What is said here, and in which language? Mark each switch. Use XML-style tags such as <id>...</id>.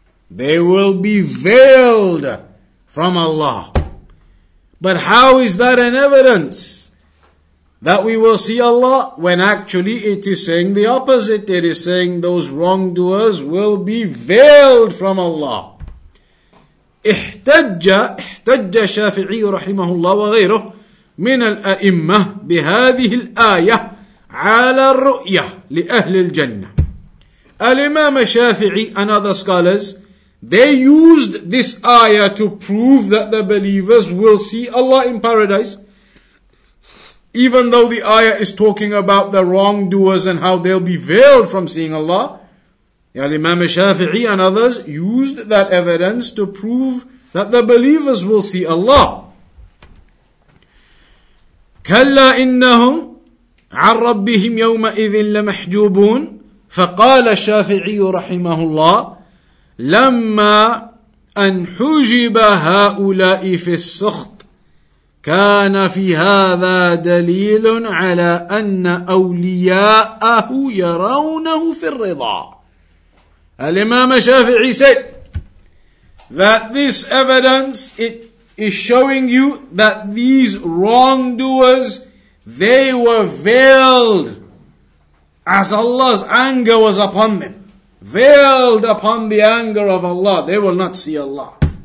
<en>They will be veiled from Allah. But how is that an evidence that we will see Allah, when actually it is saying the opposite? It is saying those wrongdoers will be veiled from Allah.</en> <ar>احتج الشافعي رحمه الله وغيره من الأئمة بهذه الآية على الرؤية لأهل الجنة.</ar> <en>الإمام الشافعي and other scholars, they used this ayah to prove that the believers will see Allah in paradise, even though the ayah is talking about the wrongdoers and how they'll be veiled from seeing Allah. Imam Shafi'i and others used that evidence to prove that the believers will see Allah.</en> <ar>كلا إنهم عن ربهم يومئذ لمحجوبون فقال الشافعي رحمه الله لما أن حجب هؤلاء في السخط كان في هذا دليل على أن أولياءه يرونه في الرضا.</ar> <en>الإمام الشافعي said that this evidence, it is showing you that these wrongdoers, they were veiled as Allah's anger was upon them. Veiled upon the anger of Allah. They will not see Allah.</en>